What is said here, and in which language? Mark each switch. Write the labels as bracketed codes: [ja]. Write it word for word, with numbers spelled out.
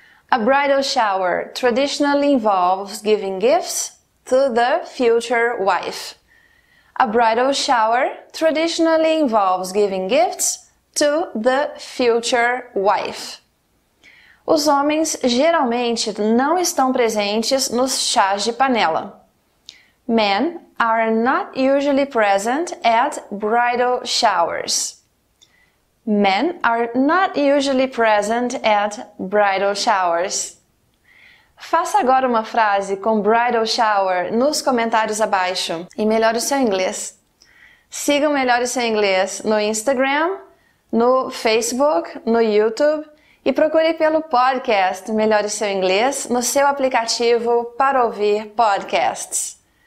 [en] A bridal shower traditionally involves giving gifts to the future wife. A bridal shower traditionally involves giving gifts to the future wife. [pt] Os homens geralmente não estão presentes nos chás de panela. [en] Men are not usually present at bridal showers. Men are not usually present at bridal showers. [pt] Faça agora uma frase com bridal shower nos comentários abaixo e melhore o seu inglês. Siga o Melhore Seu Inglês no Instagram, no Facebook, no YouTube. E procure pelo podcast Melhore Seu Inglês no seu aplicativo para ouvir podcasts.